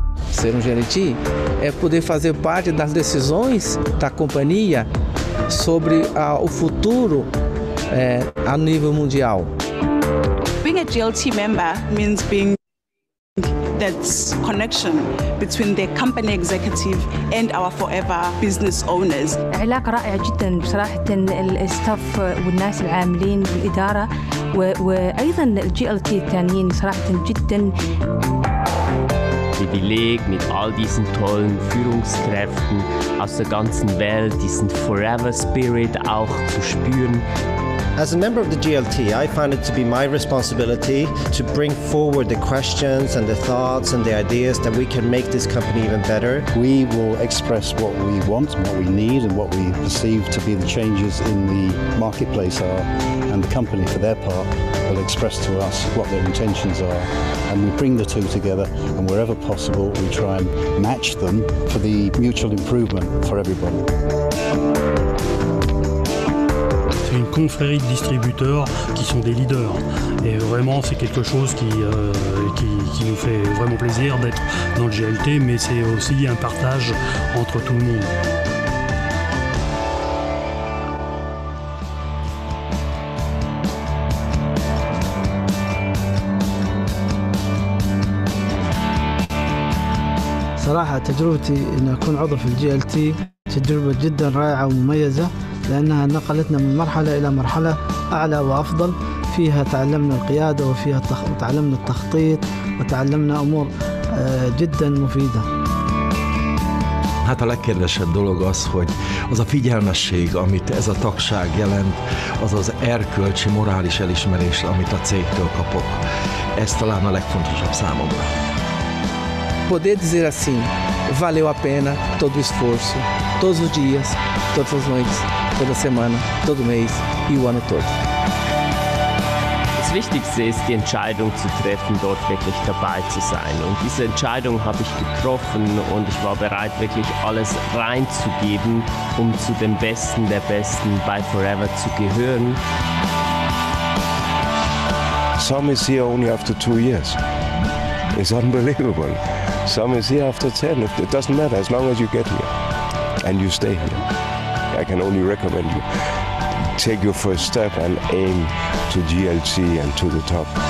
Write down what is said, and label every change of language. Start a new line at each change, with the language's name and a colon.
Portuguese: Ser um gerente é poder fazer parte das decisões da companhia sobre o futuro a nível mundial.
English: Being a GLT member means being that connection between the company executive and our forever business owners.
Arabic: علاقة رائعة جدا بصراحة الستاف والناس العاملين بالإدارة وأيضا الGLT التانيين صراحة جدا.
German: Der Beleg mit all diesen tollen Führungskräften aus der ganzen Welt, diesen Forever Spirit auch zu spüren.
English: As a member of the GLT, I find it to be my responsibility to bring forward the questions and the thoughts and the ideas that we can make this company even better. We will express what we want, what we need, and what we perceive to be the changes in the marketplace are, and the company, for their part, will express to us what their intentions are. And we bring the two together, and wherever possible, we try and match them for the mutual improvement for everybody.
French: Une confrérie de distributeurs qui sont des leaders. Et vraiment, c'est quelque chose qui nous fait vraiment plaisir d'être dans le GLT, mais c'est aussi un partage entre tout le monde.
Arabic: صراحة تجربتي إن أكون عضو في GLT تجربة جدا رائعة ومميزة. لأنها نقلتنا من مرحلة إلى مرحلة أعلى وأفضل، فيها تعلمنا القيادة وفيها تعلمنا التخطيط وتعلمنا أمور جدا مفيدة.
Hungarian: Hát a legkedvesebb dolog az, hogy az a figyelmesség, amit ez a tagság jelent, az az erkölcsi, morális elismerés, amit a cégtől kapok. Ez talán a legfontosabb számomra.
Portuguese: Poder dizer assim, valeu a pena todo o esforço, todos os dias, todas as noites. Toda semana, todo mês e o ano todo.
German: Das Wichtigste ist, die Entscheidung zu treffen, dort wirklich dabei zu sein. Und diese Entscheidung habe ich getroffen und ich war bereit, wirklich alles reinzugeben, um zu den Besten der Besten bei Forever zu gehören.
English: Some is here only after 2 years. It's unbelievable. Some is here after 10. It doesn't matter, as long as you get here and you stay here. I can only recommend you take your first step and aim to GLT and to the top.